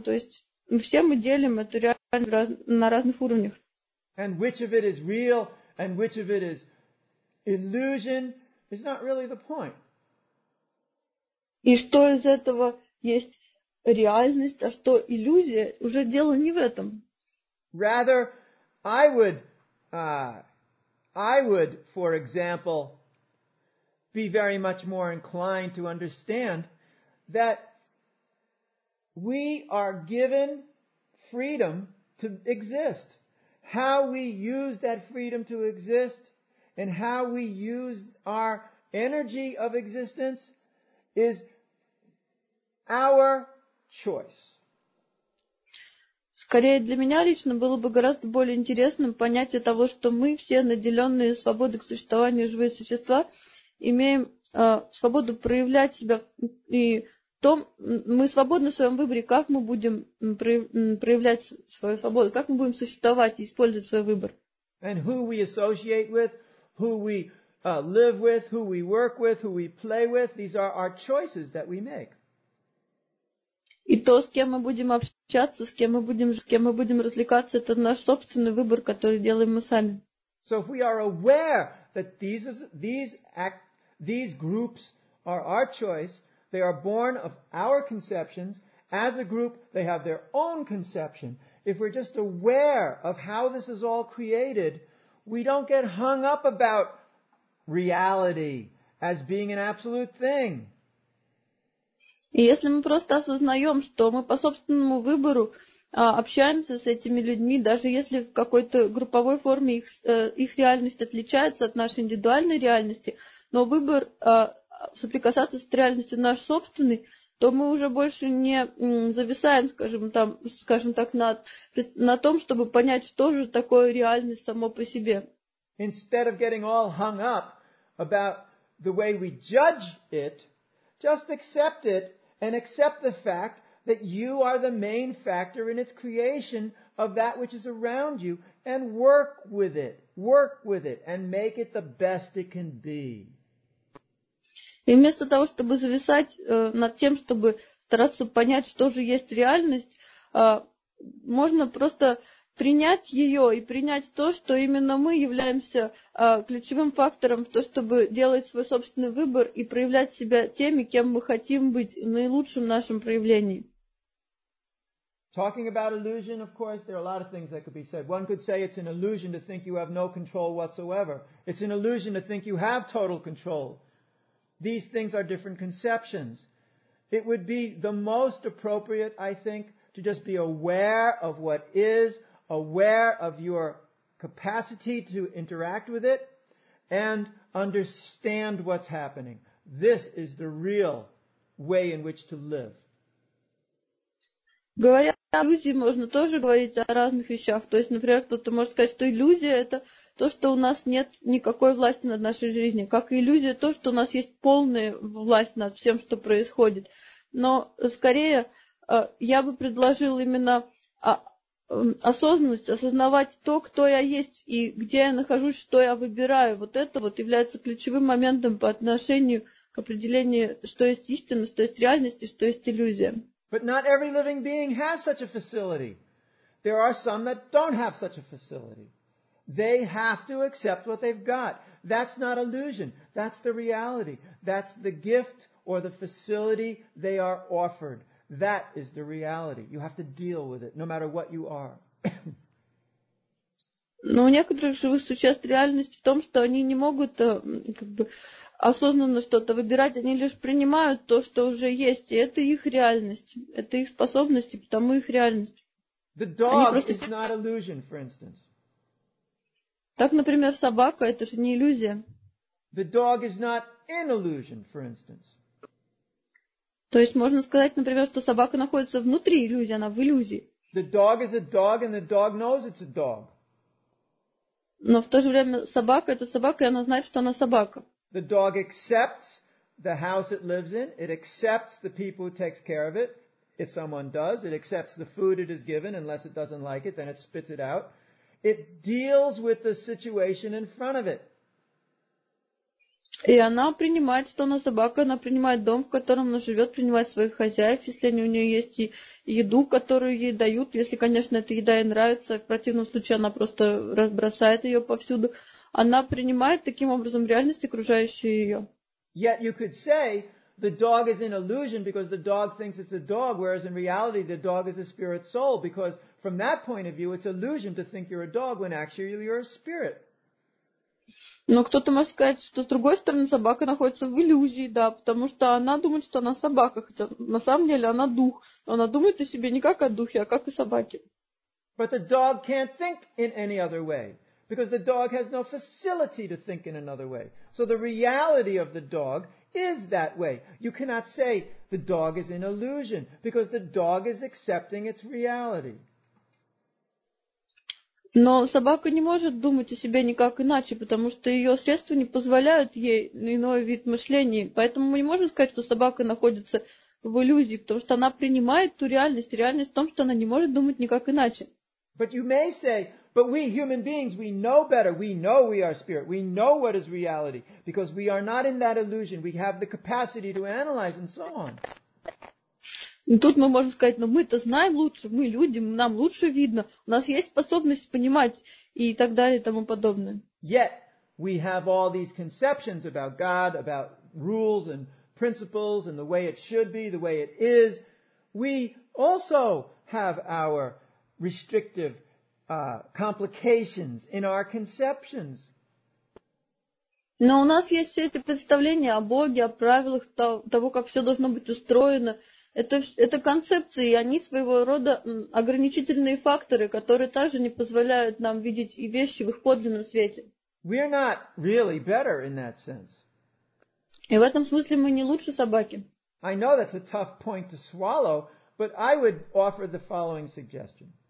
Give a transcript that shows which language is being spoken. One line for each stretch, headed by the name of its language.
Russian: То есть все мы делим эту реальность на разных уровнях.
English: And which of it is real and which of it is illusion is not really the point.
Russian: И что из этого есть реальность, а что иллюзия, уже дело не в этом.
English: Rather, I would, for example, be very much more inclined to understand that we are given freedom to exist. How we use that freedom to exist and how we use our energy of existence is our choice.
Russian: Скорее, для меня лично было бы гораздо более интересным понятие того, что мы все, наделенные свободой к существованию живые существа, имеем свободу проявлять себя, и том, мы свободны в своем выборе, как мы будем проявлять свою свободу, как мы будем существовать и использовать свой выбор.
English: And who we associate with, who we live with, who we work with, who we play with, these are our choices that we make.
Russian: И то, с кем мы будем общаться, с кем мы будем развлекаться, это наш собственный выбор, который делаем мы сами.
English: So if we are aware that these groups are our choice, they are born of our conceptions, as a group they have their own conception. If we're just aware of how this is all created, we don't get hung up about reality as being an absolute thing.
Russian: И если мы просто осознаем, что мы по собственному выбору общаемся с этими людьми, даже если в какой-то групповой форме их реальность отличается от нашей индивидуальной реальности, но выбор соприкасаться с реальностью наш собственный, то мы уже больше не зависаем, скажем так, на том, чтобы понять, что же такое реальность само по себе.
English: Instead of getting all hung up about the way we judge it, just accept it. And accept the fact that you are the main factor in its creation of that which is around you, and work with it, and make it the best it can be.
Russian: И вместо того, чтобы зависать над тем, чтобы стараться понять, что же есть реальность, можно просто принять ее и принять то, что именно мы являемся ключевым фактором в том, чтобы делать свой собственный выбор и проявлять себя теми, кем мы хотим быть, наилучшим в нашем проявлении.
English: Talking about illusion, of course, there are a lot of things that could be said. One could say it's an illusion to think you have no control whatsoever. It's an illusion to think you have total control. These things are different conceptions. It would be the most appropriate, I think, to just be aware of what is, aware of your capacity to interact with it and understand what's happening. This is the real way in which to live.
Russian: Говоря о иллюзии, можно тоже говорить о разных вещах. То есть, например, кто-то может сказать, что иллюзия – это то, что у нас нет никакой власти над нашей жизнью. Как и иллюзия – то, что у нас есть полная власть над всем, что происходит. Но, скорее, я бы предложил именно осознанность, осознавать то, кто я есть и где я нахожусь, что я выбираю. Вот это вот является ключевым моментом по отношению к определению, что есть истина, что есть реальность и что есть иллюзия.
English: But not every living being has such a facility. There are some that don't have such a facility. They have to accept what they've got. That's not illusion. That's the reality. That's the gift or the facility they are offered. That is the reality. You have to deal with it, no matter what you are.
Russian: Но у некоторых живых существ реальность в том, что они не могут осознанно что-то выбирать, они лишь принимают то, что уже есть, и это их реальность, это их способности, потому их реальность.
English: The dog is not illusion, for instance.
Russian: Так, например, собака, это же не иллюзия.
English: The dog is not an illusion, for instance.
Russian: То есть можно сказать, например, что собака находится внутри иллюзии, она в иллюзии.
English: The dog is a dog, and the dog knows it's a dog.
Russian: Но в то же время собака это собака, и она знает, что она собака.
English: The dog accepts the house it lives in. It accepts the people who takes care of it. If someone does, it accepts the food it is given. Unless it doesn't like it, then it spits it out. It deals with the situation in front of it.
Russian: И она принимает, что она собака, она принимает дом, в котором она живет, принимает своих хозяев, если они у нее есть, и еду, которую ей дают, если, конечно, эта еда ей нравится, в противном случае она просто разбросает ее повсюду. Она принимает таким образом реальность, окружающую ее.
English: Yet you could say the dog is an illusion because the dog thinks it's a dog, whereas in reality the dog is a spirit soul, because from that point of view it's illusion to think you're a dog when actually you're a spirit.
Russian: Но кто-то может сказать, что с другой стороны собака находится в иллюзии, да, потому что она думает, что она собака, хотя на самом деле она дух. Но она думает о себе не как о духе, а как о собаке.
English: But the dog can't think in any other way, because the dog has no facility to think in another way. So the reality of the dog is that way. You cannot say the dog is an illusion, because the dog is accepting its reality.
Russian: Но собака не может думать о себе никак иначе, потому что ее средства не позволяют ей иной вид мышления. Поэтому мы не можем сказать, что собака находится в иллюзии, потому что она принимает ту реальность. Реальность в том, что она не может думать никак иначе.
English: But you may say, but we human beings, we know better. We know we are spirit. We know what is reality. Because we are not in that illusion. We have the capacity to analyze and so on.
Russian: Тут мы можем сказать, но мы-то знаем лучше, мы люди, нам лучше видно, у нас есть способность понимать и так далее и тому подобное.
English: Yet we have all these conceptions about God, about rules and principles and the way it should be, the way it is. We also have our restrictive complications in our conceptions.
Russian: Но у нас есть все эти представления о Боге, о правилах того, как все должно быть устроено. Это концепции, и они своего рода ограничительные факторы, которые также не позволяют нам видеть и вещи в их подлинном свете.
English: We are not really better in that sense.
Russian: И в этом смысле мы не лучше собаки.
English: I know that's a tough point to swallow, but I would offer the following suggestion.